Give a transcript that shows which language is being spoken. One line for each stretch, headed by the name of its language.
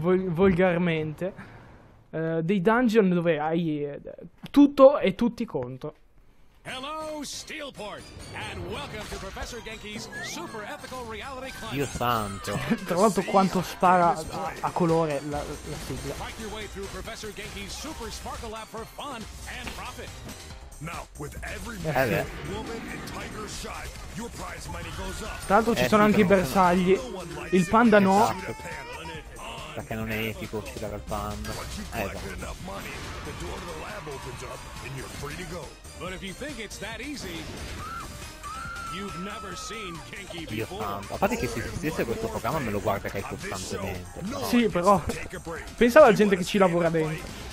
Italian: volgarmente, dei dungeon dove hai tutto e tutti contro.
English: Hello Steelport and welcome to Professor Genki's super ethical reality class.
Italian: Dio santo. Tra l'altro quanto spara a colore la sigla.
English: Fight your way through Professor Genki's super sparkle lab for fun and profit. Now with every woman and tiger shot, your prize money goes up.
Italian: Tra l'altro ci sono anche i bersagli. Il panda no. Perché non è etico uccidere il panda. Esatto.
English: But if you think it's that easy, you've never seen Genki before.
Italian: Dio santo, a parte che se esistesse questo programma me lo guarderei costantemente. Però. Sì, però. Pensavo alla gente che ci lavora dentro.